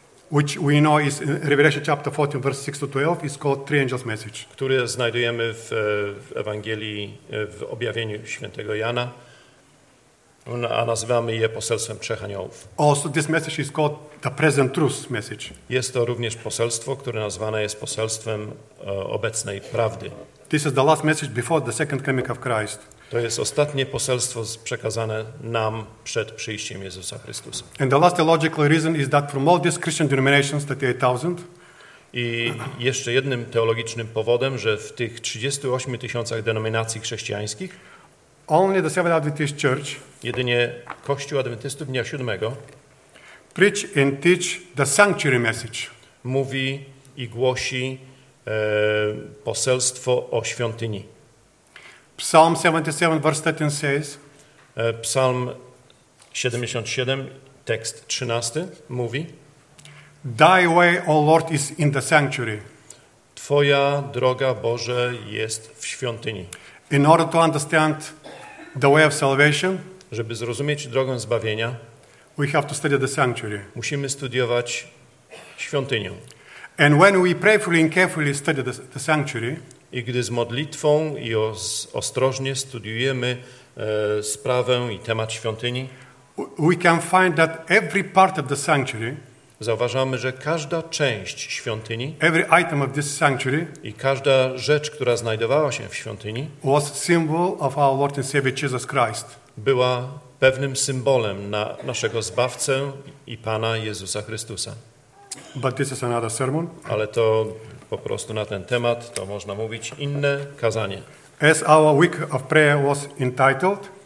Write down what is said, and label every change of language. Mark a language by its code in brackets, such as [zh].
[en] Which we know is in Revelation chapter 14, verse 6 to 12, is called Three Angels' Message. [pl] Które znajdujemy w Ewangelii, w objawieniu świętego Jana, a nazywamy je poselstwem trzech aniołów. [en] Also this message is called the Present Truth Message. [pl] Jest to również poselstwo, które nazwane jest poselstwem obecnej prawdy. [en] This is the last message before the second coming of Christ. [pl] To jest ostatnie poselstwo przekazane nam przed przyjściem Jezusa Chrystusa. [en] And the last theological reason is that from all these Christian denominations, 38,000. [pl] I jeszcze jednym teologicznym powodem, że w tych 38 tysiącach denominacji chrześcijańskich [en] only the Seventh Adventist Church, [pl] jedynie Kościół Adwentystów Dnia Siódmego, [en] preach and teach the sanctuary message. [pl] Mówi i głosi poselstwo o świątyni. [en] Psalm 77, verse 13 says, [pl] Psalm 77, tekst 13, mówi, [en] Thy way, O Lord, is in the sanctuary. [pl] Twoja droga, Boże, jest w świątyni. [en] In order to understand the way of salvation, [pl] żeby zrozumieć drogę zbawienia, [en] we have to study the sanctuary. [pl] Musimy studiować świątynię. [en] And when we prayfully and carefully study the sanctuary, [pl] i gdy z modlitwą i ostrożnie studiujemy sprawę i temat świątyni, [en] we can find that every part of the sanctuary, [pl] zauważamy, że każda część świątyni, [en] every item of this sanctuary, [pl] i każda rzecz, która znajdowała się w świątyni, [en] was symbol of our Lord and Savior Jesus Christ, [pl] była pewnym symbolem na naszego Zbawcę i Pana Jezusa Chrystusa. [en] But this is another sermon. [pl] Ale to po prostu na ten temat, to można mówić inne kazanie. [en] As our week of prayer was entitled,